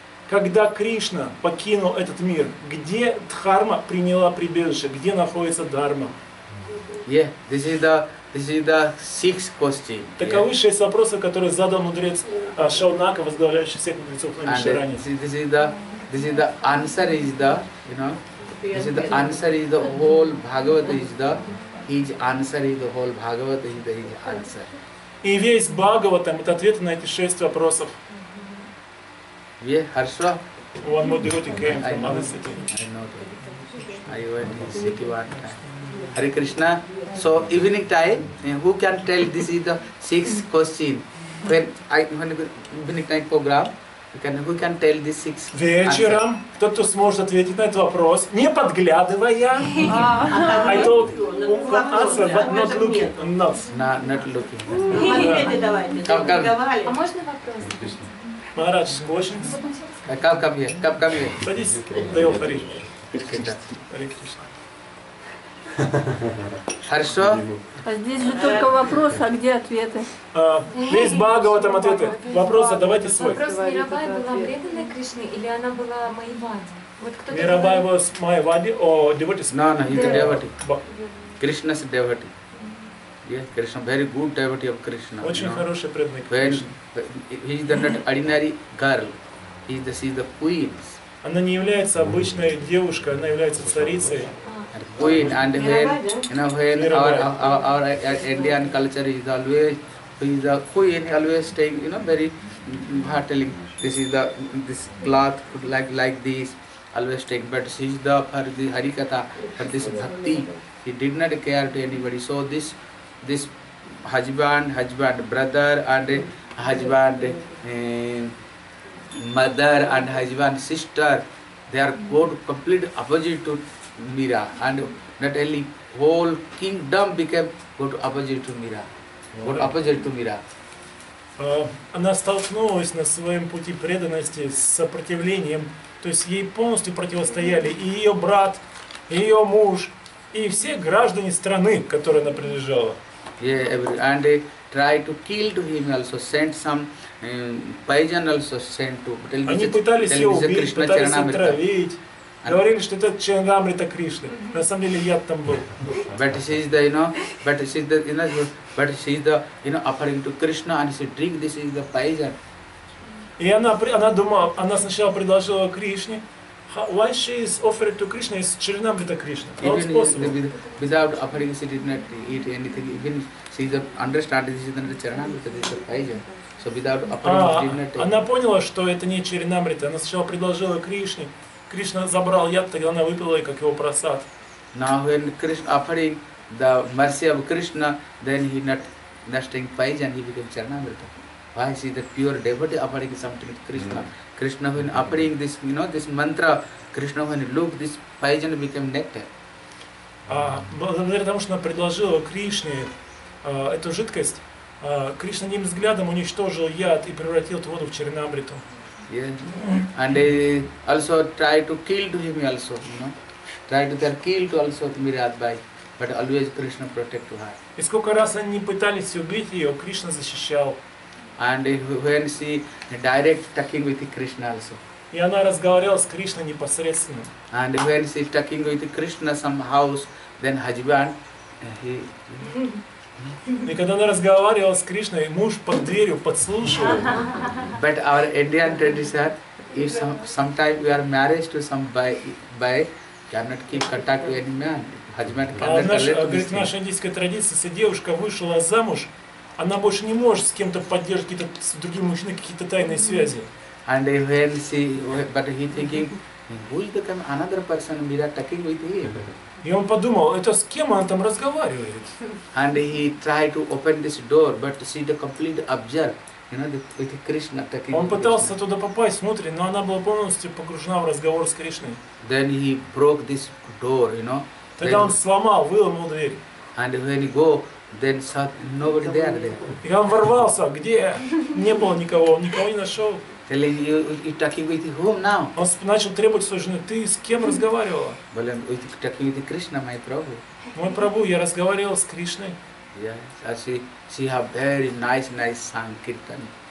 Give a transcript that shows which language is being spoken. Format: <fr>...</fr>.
<ru>Когда Кришна покинул этот мир, где дхарма приняла прибежище? Где находится дхарма?</ru> <en>Yeah, this is the sixth question.</en> <ru>Таковы шесть вопросов, которые задал мудрец Шаунака, возглавляющий всех мудрецов на Мишаране.</ru> <en>This is the answer is the, you know, this is the answer is the whole Bhagavata is the, his answer is the whole Bhagavata is the, his answer.</en> <ru>И весь Бхагаватам – это ответы на эти шесть вопросов. Yeah, хорошо.</ru> <en>One more devotee came from another city. I know that. I went to city one time. Hare Krishna. So, evening time, who can tell this is the sixth question? When evening time program, who can tell this sixth answer?</en> <ru>Вечером, кто-то сможет ответить на этот вопрос, не подглядывая.</ru> <en>I told you, answer, but not looking. Not looking.</en> <ru>А можно вопрос?</ru> <en>Maharaj, questions? Come here.</en> <ru>Садись, дай Хари Кришна. Хорошо? А здесь же только вопрос, а где ответы? Весь Бхагава там ответы. Вопрос задавайте свой. Вопрос, Мирабай была преданной Кришне или она была Майвади?</ru> <en>Вот Мирабай was Майвади or devotee? No, he's a devotee. Krishna's devotee. Yes, Krishna, very good devotee of Krishna.</en> <ru>Очень хороший преданный Кришна.</ru> <en>He is the ordinary girl. He is the queen.</en> <ru>Она не является обычной девушкой, она является царицей.</ru> <en>Queen and when, you know, when our Indian culture is always, who is the queen always staying, you know, very battling. This is the this cloth like this, always staying. But she is the for the harikata, for this bhakti. He did not care to anybody. So this husband, brother and husband, mother and husband, sister, they are both complete opposite to Mira, and not only whole kingdom became go opposite to Mira.</en> <ru>Она столкнулась на своем пути преданности с сопротивлением, то есть ей полностью противостояли и ее брат, и ее муж, и все граждане страны, которой она принадлежала.</ru> <en>Yeah, and they tried to kill to him also, sent some poison also sent to.</en> <ru>Они пытались ее убить, пытались отравить. Говорили, что это Чарнамрита Кришна. На самом деле яд там был.</ru> <en>But she is the offering to Krishna and she drink this is the poison.</en> <ru>И она думала, она сначала предложила Кришне.</ru> <en>Why she is offering to Krishna is Чарнамрита Кришна. How is possible? Without offering she did not eat anything. Even she is understanding this is not Чарнамрита, this is the poison. So without offering she did not.</en> <ru>Она поняла, что это не Чарнамрита. Она сначала предложила Кришне. Кришна забрал яд, тогда она выпила и как его просад.</ru> <en>Now when Krishna offering the mercy of Krishna, then he not nesting poison, he became Charanamrita. Why is the pure devotee offering something to Krishna? Krishna when offering this, you know, this mantra, Krishna when look this poison became nectar.</en> <ru>Благодаря тому, что она предложила Кришне эту жидкость, Кришна одним взглядом уничтожил яд и превратил эту воду в Чаранамриту.</ru> <en>Yeah, and they also try to kill to him also, you know, try to their kill to also Mirabai, but always Krishna protect her.</en> <ru>И сколько раз они пытались убить ее, Кришна защищал.</ru> <en>And when she direct talking with Krishna also.</en> <ru>И она разговаривала с Кришной непосредственно.</ru> <en>And when she talking with Krishna some house, then husband, he.</en> <ru>И когда она разговаривала с Кришной, муж под дверью подслушивал.</ru> <en>But our Indian tradition, if sometimes we are married to some boy, cannot keep contact with any man. Husband cannot</en> <ru>Говорит, наша индийская традиция, если девушка вышла замуж, она больше не может с кем-то поддерживать какие-то с другим мужчиной какие-то тайные связи.</ru> <en>And when she, but he thinking, who is the another person we are talking with him?</en> <ru>И он подумал, это с кем она там разговаривает?</ru> <en>And he tried to open this door, but see the complete observe, you know, with Krishna talking.</en> <ru>Он пытался туда попасть внутрь, но она была полностью погружена в разговор с Кришной.</ru> <en>Then he broke this door, you know.</en> <ru>Тогда он сломал, выломал дверь.</ru> <en>And when he go, then saw nobody there.</en> <ru>И он ворвался, где не было никого, он никого не нашел.</ru> <en>Telling you, you talking with whom now?</en> <ru>Он начал требовать своей жены. Ты с кем разговаривала? Блин, вы</ru> <en>talking with Krishna, my Prabhu.</en> <ru>Мой Прабу, я разговаривал с Кришной.</ru> <en>Yes, I see. She have very nice sankirtan.</en>